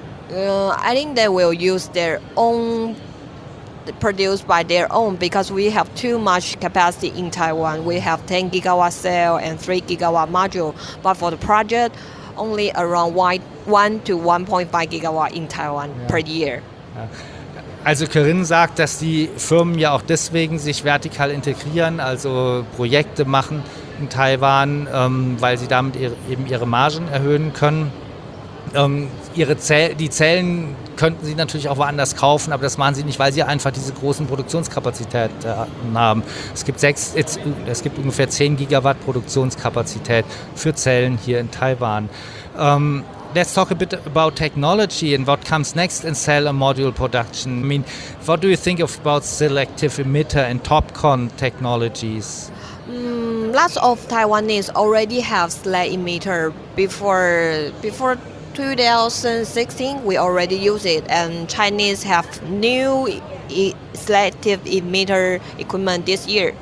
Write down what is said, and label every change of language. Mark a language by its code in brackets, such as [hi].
[en] I think they will use their own, produced by their own, because we have too much capacity in Taiwan. We have 10 gigawatt cell and 3 gigawatt module, but for the project, only around 1 to 1.5 gigawatt in Taiwan, yeah, per year. Yeah. [de] Also Corinne sagt, dass die Firmen ja auch deswegen sich vertikal integrieren, also Projekte machen in Taiwan, weil sie damit eben ihre Margen erhöhen können. Die Zellen könnten sie natürlich auch woanders kaufen, aber das machen sie nicht, weil sie einfach diese großen Produktionskapazitäten haben. Es gibt ungefähr 10 Gigawatt Produktionskapazität für Zellen hier in Taiwan. [en] Let's talk a bit about technology and what comes next in cell and module production. I mean, what do you think about selective emitter and TOPCon technologies? Lots of Taiwanese already have slag emitter. Before 2016, we already use it, and Chinese have new selective emitter equipment this year.